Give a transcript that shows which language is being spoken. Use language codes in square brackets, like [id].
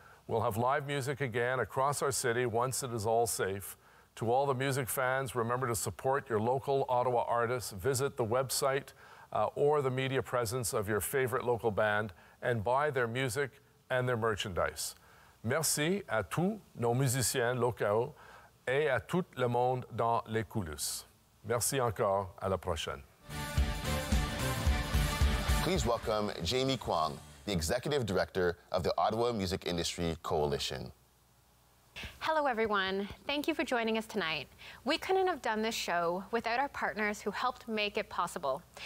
[en] We'll have live music again across our city once it is all safe. To all the music fans, remember to support your local Ottawa artists. Visit the website or the media presence of your favorite local band and buy their music and their merchandise. [fr] Merci à tous nos musiciens locaux et à tout le monde dans les coulisses. Merci encore. À la prochaine. [en] Please welcome Jamie Kwong, the Executive Director of the Ottawa Music Industry Coalition. Hello, everyone. Thank you for joining us tonight. We couldn't have done this show without our partners who helped make it possible.